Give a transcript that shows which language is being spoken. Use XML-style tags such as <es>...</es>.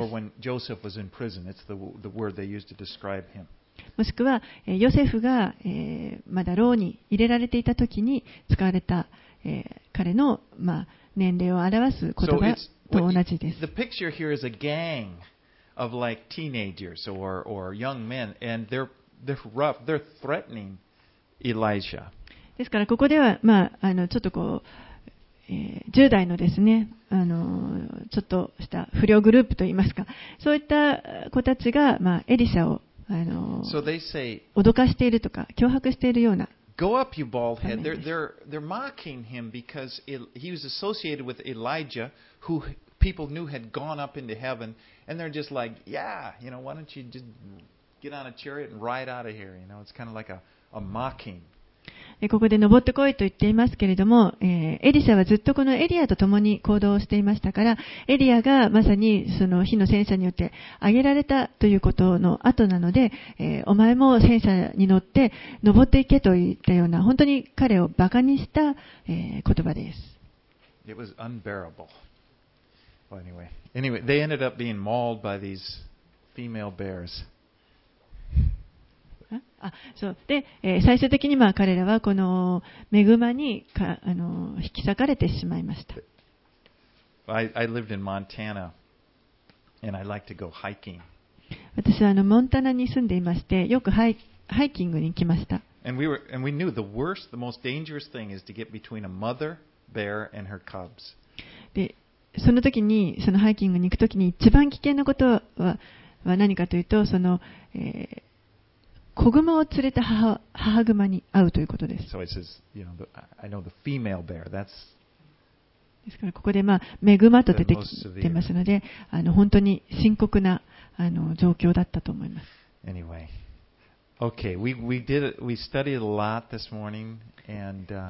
<en>Or when Joseph was in prison, it's the word they used to describe him.</en> <ja>もしくは、ヨセフが、まだ牢に入れられていた時に使われた、彼の、まあ年齢を表す言葉と同じです。</ja> <en>The picture here is a gang of like teenagers or young men, and they're rough, they're threatening Elijah.</en> <ja>ですからここでは、まあ、ちょっとこう、10代のですね、ちょっとした不良グループといいますか、そういった子たちが、まあ、エリシャを脅かしているとか脅迫しているような。</ja> <en>Go up, you bald head. They're mocking him because he was associated with Elijah, who people knew had gone up into heaven, and they're just like, yeah, you know, why don't you just get on a chariot and ride out of here? You know, it's kind of like a mocking.</en> <ja>ここで登ってこいと言っていますけれども、エリシャはずっとこのエリアと共に行動していましたから、エリアがまさにその火の戦車によって挙げられたということの後なので、お前も戦車に乗って登っていけといったような本当に彼をバカにした、言葉です。</ja> <en>It was unbearable. Well, anyway, they ended up being mauled by these female bears.</en> <ja>そうで、最終的にまあ彼らはこのメグマに引き裂かれてしまいました。</ja> <en>I lived in Montana, and I like to go hiking.</en> <ja>私はモンタナに住んでいまして、よくハイキングに来ました。</ja> <en>And we knew the worst, the most dangerous thing is to get between a mother bear and her cubs.</en> <ja>でその時にそのハイキングに行く時に一番危険なことは何かというと、その、子グマを連れた母グマに会うということです。</ja> <en>So it says, you know, I know the female bear. That's</en> <ja>ですからここでまあメグマと出てきてますので、本当に深刻な状況だったと思います。</ja> <en>Anyway, okay, we studied a lot this morning, and</en>